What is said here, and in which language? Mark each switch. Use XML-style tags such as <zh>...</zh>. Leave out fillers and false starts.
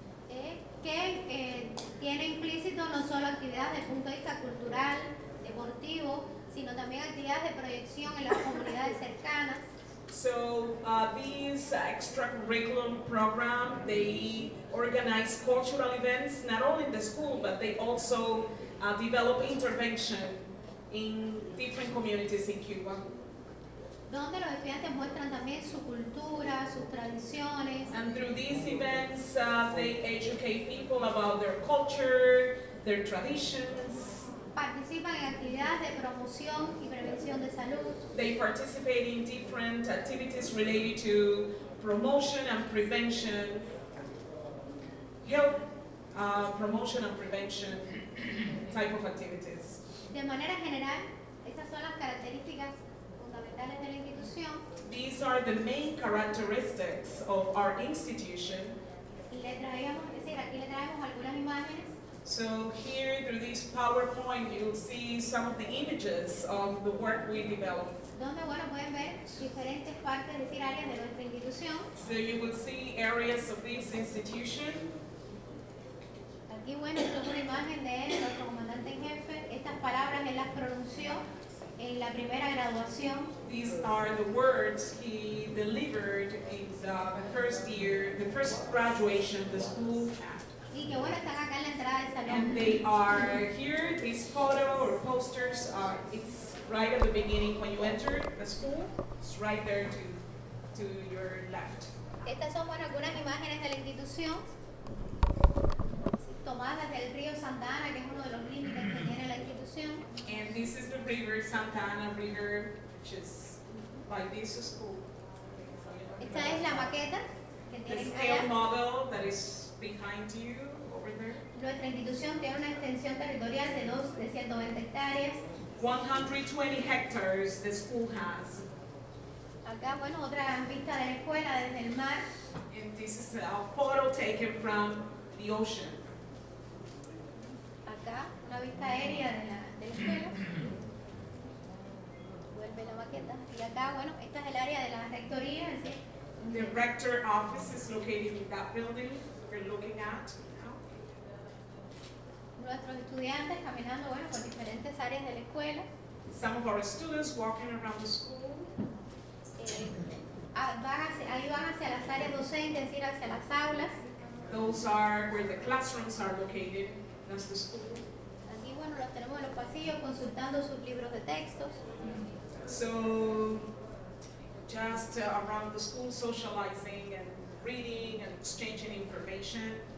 <es>Que tiene implícito no solo actividades desde el punto de vista cultural, deportivo, sino también actividades de proyección en las comunidades cercanas.</es> <en>So this extracurriculum program, they organize cultural events, not only in the school, but they also develop intervention in different communities in Cuba.</en> <es>Donde los estudiantes muestran también su cultura, sus tradiciones.</es> <en>And through these events, they educate people about their culture, their traditions.</en> <es>Participan en actividades de promoción y prevención de salud.</es> <en>They participate in different activities related to promotion and prevention, health promotion and prevention type of activities.</en> <es>De manera general, estas son las características fundamentales de la institución.</es> <en>These are the main characteristics of our institution.</en> <es>Aquí le traemos algunas imágenes.</es> <en>So here, through this PowerPoint, you'll see some of the images of the work we developed.</en> <es>Donde, pueden ver diferentes partes, áreas de nuestra institución.</es> <en>So you will see areas of this institution.</en> <es>Aquí, esto es una imagen de él, nuestro comandante en jefe. Estas palabras él las pronunció en la primera graduación.</es> <en>These are the words he delivered in the first year, the first graduation the school had.</en> <es>Y que están acá en la entrada del salón.</es> <en>And they are here, this photo or posters, are, it's right at the beginning when you enter the school. It's right there to your left.</en> <es>Estas son algunas imágenes de la institución tomadas desde el río Santa Ana, que es uno de los límites que tiene la institución.</es> <en>And this is the river, Santa Ana River, which is by this school.</en> <es>Esta es la maqueta que tiene</es> <en>The scale model that is behind you, over there.</en> <es>Nuestra institución tiene una extensión territorial de 120 hectáreas.</es> <en>120 hectares the school has.</en> <es>Acá, otra vista de la escuela desde el mar.</es> <en>And this is a photo taken from the ocean.</en> <es>Una vista aérea de la escuela. Vuelve la maqueta. Y acá, esta es el área de la rectoría. ¿Sí?</es> <en>The rector office is located in that building we're looking at now.</en> <es>Nuestros estudiantes caminando, por diferentes áreas de la escuela.</es> <en>Some of our students walking around the school.</en> <es>ahí van hacia las áreas docentes, es decir, hacia las aulas.</es> <en>Those are where the classrooms are located. That's the school.</en> <es>Aquí, bueno, los tenemos en los pasillos consultando sus libros de textos.</es> <en>So, just around the school, socializing and reading and exchanging information.</en>